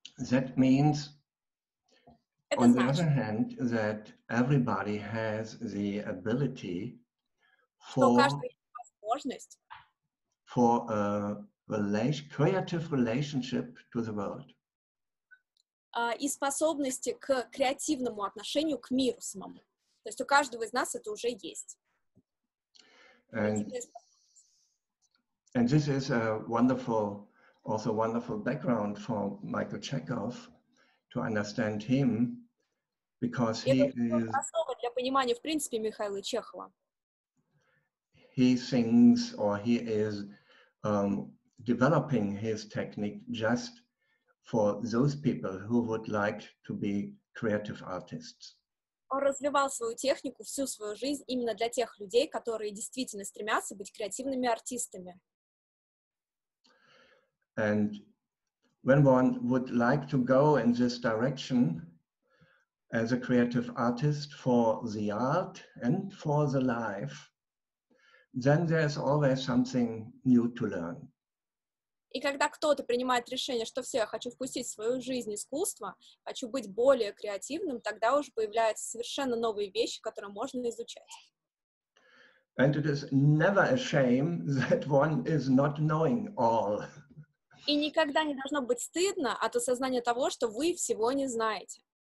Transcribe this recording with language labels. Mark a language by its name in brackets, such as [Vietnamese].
[English] That means, on the other hand, that everybody has the ability for a creative relationship to the world. [Russian] И способности к креативному отношению к миру самому. То есть у каждого из нас это уже есть. [English] And this is a wonderful, also wonderful background for Michael Chekhov to understand him, because he is... [Russian] Это основа для понимания, в принципе, Михаила Чехова. [English] He sings, or he is developing his technique just for those people who would like to be creative artists. [Russian] Он развивал свою технику всю свою жизнь именно для тех людей, которые действительно стремятся быть креативными артистами. [English] And when one would like to go in this direction as a creative artist for the art and for the life, then there's always something new to learn. [Russian] И когда кто-то принимает решение, что все, я хочу впустить в свою жизнь искусство, хочу быть более креативным, тогда уже появляются совершенно новые вещи, которые можно изучать. И никогда не должно быть стыдно от осознания того, что вы всего не знаете.